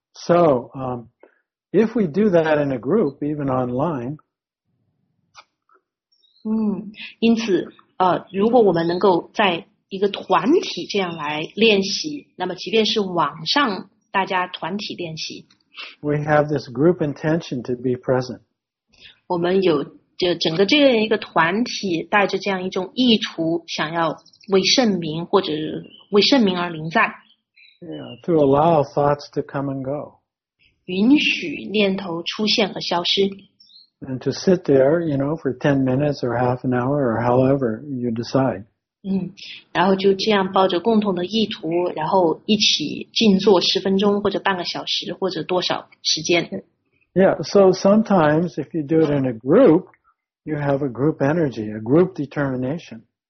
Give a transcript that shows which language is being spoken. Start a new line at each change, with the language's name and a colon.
English: So, if we do that in a group, even online,
Chinese: 因此如果我们能够在一个团体这样来练习，那么即便是网上大家团体练习，
English: We have this group intention to be present.
Chinese: 我们有就整个这样一个团体带着这样一种意图想要为圣名或者为圣名而临在。
English: Yeah, to allow thoughts to come and go.
Chinese: 允许念头出现和消失。
English: And to sit there, you know, for 10 minutes or half an hour or however you decide.
Chinese: 然后就这样抱着共同的意图然后一起静坐十分钟或者半个小时或者多少时间。
English: Yeah, so sometimes if you do it in a group, you have a group energy, a group determination.